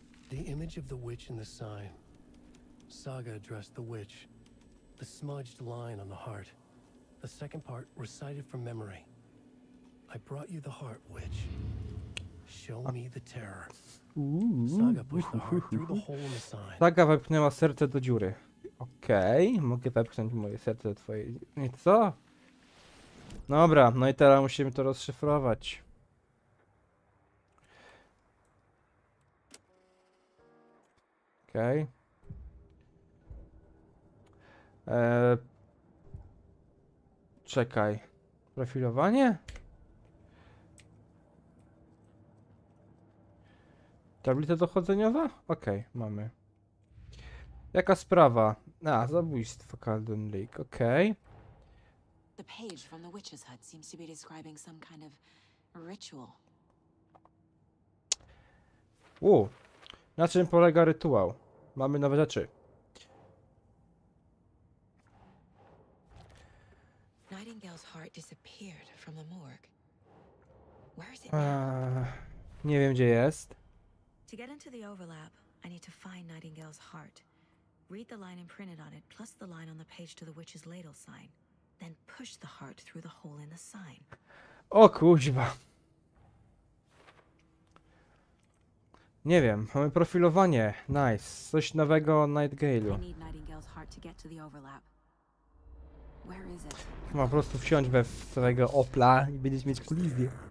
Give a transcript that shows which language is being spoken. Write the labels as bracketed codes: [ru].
[en] The image of the witch in the sign. Saga addressed the witch. The smudged line on the heart. The second part recited from memory. I brought you the heart, witch. Show me the terror. Saga pushed the heart through the hole in the sign. [pl] Saga wepchnęła serce do dziury. Okej, mogę wepchnąć moje serce do twojej. Nie co? Dobra, no i teraz musimy to rozszyfrować. Okej. Czekaj. Profilowanie? Tablica dochodzeniowa? Okej, okay, mamy. Jaka sprawa? A, zabójstwo Calden Lake. Okej. Okay. [en] The page from the witch's hut seems to be describing some kind of ritual. [pl] Na czym polega rytuał? Mamy nowe rzeczy. [en] Nightingale's heart disappeared from the morgue. Where is it now? [pl] Nie wiem, gdzie jest. [en] To get into the overlap, I need to find Nightingale's heart. Read the line imprinted on it, plus the line on the page to the witch's ladle sign. Then push the heart through the hole in the sign. [pl] O kuźba. Nie wiem, mamy profilowanie. Nice. Coś nowego o Nightingale'u. [en] I need Nightingale's heart to get to the overlap. Where is it? [pl] Ma po prostu wsiąść we swojego Opla i będziesz mieć kolizję.